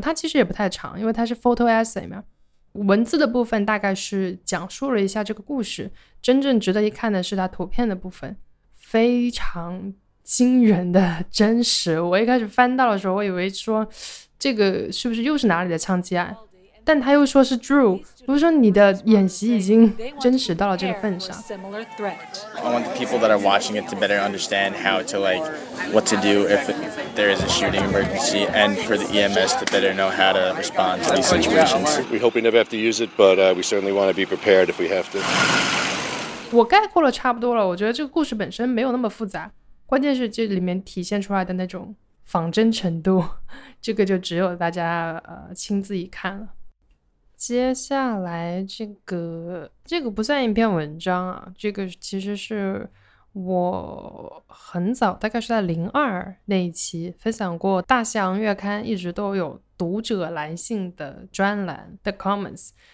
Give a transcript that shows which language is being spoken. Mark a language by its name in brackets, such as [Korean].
[Chinese] 它其实也不太长，因为它是 photo essay 嘛，文字的部分大概是讲述了一下这个故事，真正值得一看的是它图片的部分，非常惊人的真实。我一开始翻到的时候，我以为说这个是不是又是哪里的枪击案，但他又说是 Drew， 不是说你的演习已经真实到了这个份上。 [English] I want the people that are watching it to better understand how to like what to do if there is a shooting emergency, and for the EMS to better know how to respond to these situations. We hope we never have to use it, but we certainly want to be prepared if we have to. [Chinese] 我概括了差不多了，我觉得这个故事本身没有那么复杂，关键是这里面体现出来的那种仿真程度，这个就只有大家亲自一看了。接下来这个不算一篇文章啊，这个其实是我很早，大概是在02那一期分享过大西洋月刊一直都有读者来信的专栏 The Commons。